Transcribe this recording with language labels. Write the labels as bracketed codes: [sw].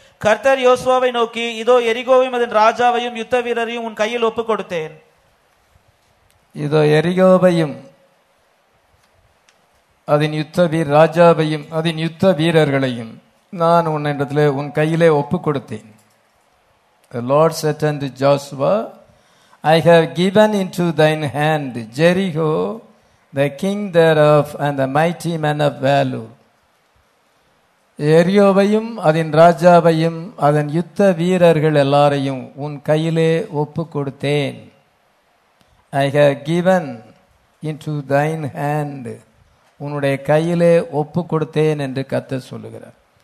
[ta] கர்த்தர் யோசுவாவை நோக்கி, இதோ எரிகோவையும் அதன் ராஜாவையும் யுத்த வீரரையும் உன் கையில் ஒப்புக் கொடுத்தேன். இதோ எரிகோவையும் அதன் யுத்த வீர ராஜாவையும் அதன் யுத்த வீரர்களையும் நான் உன் இடத்துல உன் கையிலே ஒப்புக் கொடுத்தேன். [en] The Lord said unto Joshua, I have given into thine hand Jericho, the king thereof, and the mighty men of valor. [ta] எரியோவையும் அதன் ராஜாவையும் அதன் யுத்த வீரர்கள் எல்லாரையும் உன் கையிலே ஒப்பு கொடுத்தேன். [en] I have given into thine hand, [ta] உன்னுடைய கையிலே ஒப்பு கொடுத்தேன் என்று கர்த்தர் சொல்லுகிறார்.